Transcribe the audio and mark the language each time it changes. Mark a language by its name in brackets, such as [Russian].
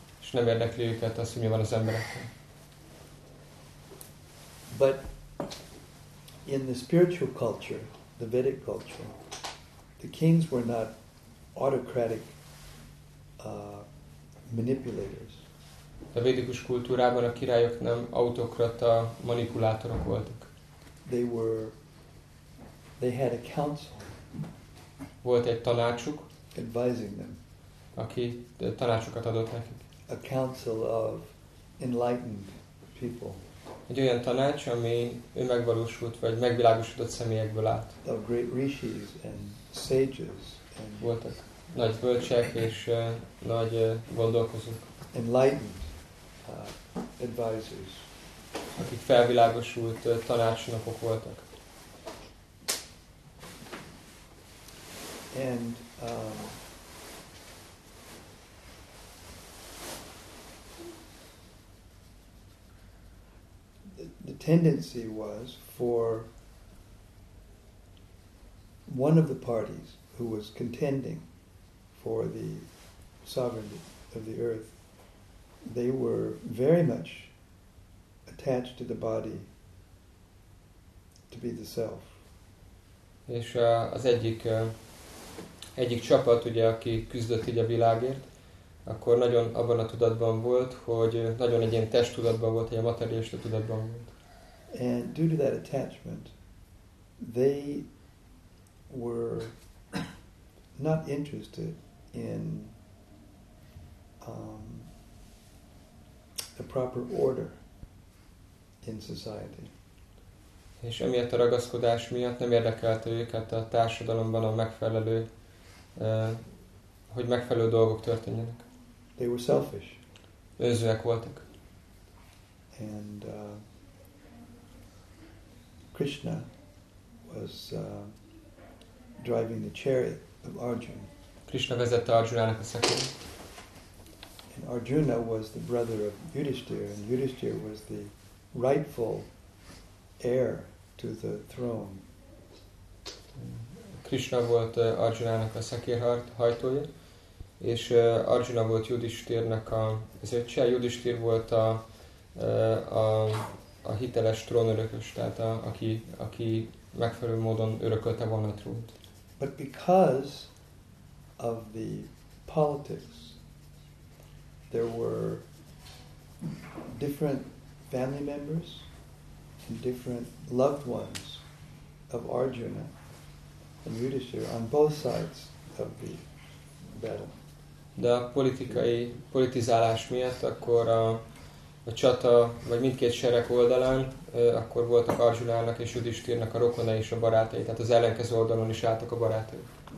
[Hungarian] És nem érdekli őket az, hogy mi van az emberekkel. [English] But in the spiritual culture, the Vedic culture, the kings were not autocratic manipulators. [Hungarian] A védikus kultúrában a királyok nem autokrata manipulátorok voltak. [English] They had a council. [Hungarian] Volt egy tanácsuk, [English] advising them. [Hungarian] Aki tanácsokat adott nekik. [English] A council of enlightened people. [Hungarian] Egy olyan tanács, ami önmegvalósult vagy megvilágosodott személyekből állt. [English] Of great rishis and sages and [Hungarian] voltak nagy bölcsek és nagy gondolkozók. [English] Enlightened advisors. [Hungarian] Akik felvilágosult tanácsnokok voltak. [English] And the tendency was for one of the parties who was contending for the sovereignty of the earth, they were very much attached to the body, to be the self. [Hungarian] És az egyik csapat, ugye, aki küzdött így a világért, akkor nagyon abban a tudatban volt, hogy nagyon egy ilyen testtudatban volt, egy materialista tudatban volt. [English] And due to that attachment, they were not interested in the proper order in society. [Hungarian] És emiatt a ragaszkodás miatt nem érdekelte őket a társadalomban a megfelelő, hogy megfelelő dolgok történjenek. [English] They were selfish. [Hungarian] Önzőek voltak. [English] And Krishna was driving the chariot of Arjuna. [Hungarian] Krishna vezette Arjunának a szekrényt. [English] And Arjuna was the brother of Yudhishthira, and Yudhishthira was the rightful heir to the throne. [Hungarian] Krishna volt Arjunának a szekérhart hajtója, és Arjuna volt Yudhishthirnek a öccse. Yudhishthira volt a hiteles trónörökös, tehát aki megfelelő módon örökölte volna a trónt. [English] But because of the politics, there were different family members and different loved ones of Arjuna and Yudhishthira on both sides of the battle. [Hungarian] De a politikai politizálás miatt akkor a csata, vagy mindkét sereg oldalán, akkor voltak Arjunának és Yudhishthirnek a rokonai és a barátai, tehát az ellenkező oldalon is álltak a barátok.